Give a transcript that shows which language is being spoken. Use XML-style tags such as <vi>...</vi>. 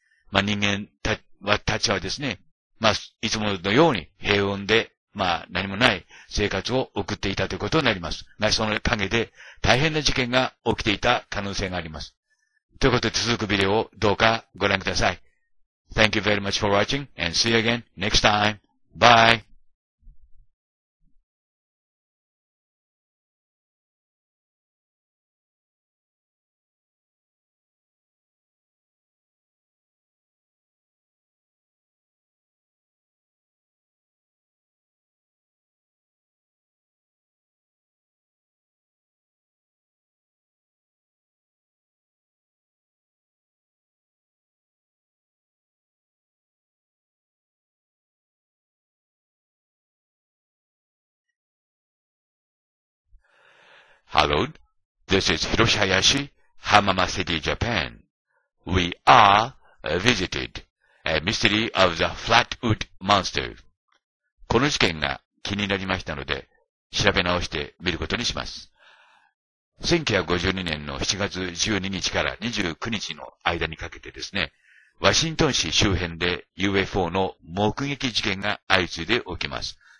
<ja>まあ人間たちはですね、まあいつものように平穏で、まあ何もない生活を送っていたということになります。まあその陰で大変な事件が起きていた可能性があります。ということで続くビデオをどうかご覧ください。</ja> <en>Thank you very much for watching and see you again next time. Bye! Hello, this is Hiroshihayashi, Hamama City, Japan. We are visited a mystery of the Flatfoot Monster.</en> <ja>この事件が気になりましたので、調べ直してみることにします。 1952年の7月12日から29日の間にかけてですね、ワシントン市周辺で UFO の目撃事件が相次いで起きます。</ja>